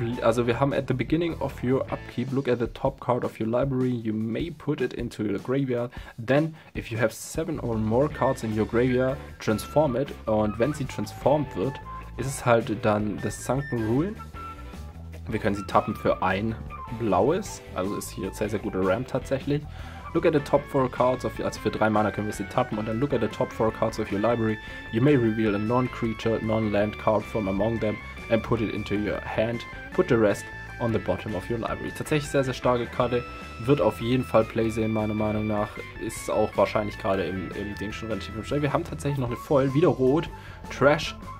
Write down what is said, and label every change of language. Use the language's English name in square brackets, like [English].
[German] Also wir haben [English] at the beginning of your upkeep, look at the top card of your library. You may put it into your graveyard. Then, if you have 7 or more cards in your graveyard, transform it. [German] Und wenn sie transformed wird, ist es halt dann The Sunken Ruin. Wir können sie tappen für ein blaues, also ist hier sehr, sehr gute Ramp tatsächlich. [English] Look at the top 4 cards of your, [German] also für 3 Mana können wir sie tappen und dann [English] look at the top 4 cards of your library. You may reveal a non-creature, non-land card from among them and put it into your hand. Put the rest on the bottom of your library. [German] Tatsächlich sehr, sehr starke Karte, wird auf jeden Fall Play sehen, meiner Meinung nach. Ist auch wahrscheinlich gerade im Ding schon relativ schnell. Wir haben tatsächlich noch eine Foil, wieder rot, Trash.